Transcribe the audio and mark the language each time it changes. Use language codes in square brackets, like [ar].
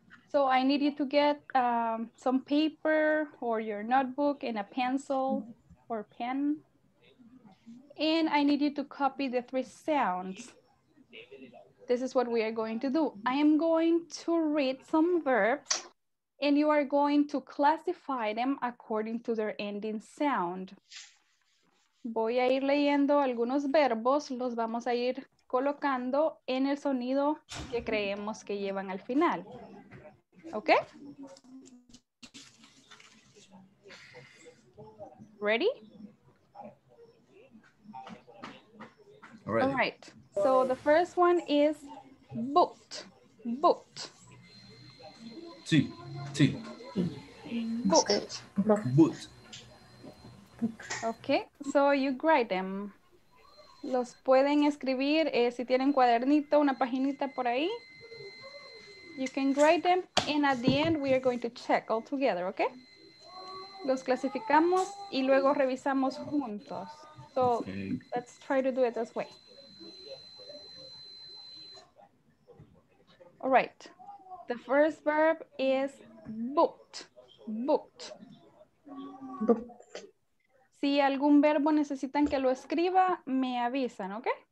[en] So I need you to get some paper or your notebook and a pencil or pen. And I need you to copy the three sounds. This is what we are going to do. I am going to read some verbs and you are going to classify them according to their ending sound. [es] Voy a ir leyendo algunos verbos, los vamos a ir colocando en el sonido que creemos que llevan al final. [en] Okay? Ready? Ready. All right. So the first one is booked. Booked. T. T. Booked. Booked. Okay, so you write them. [es] Los pueden escribir si tienen cuadernito, una paginita por ahí. [en] You can write them and at the end we are going to check all together, okay? [es] Los clasificamos y luego revisamos juntos. [en] So okay. Let's try to do it this way. All right, the first verb is booked, booked. [es] Si algún verbo necesitan que lo escriba, me avisan, ¿ok?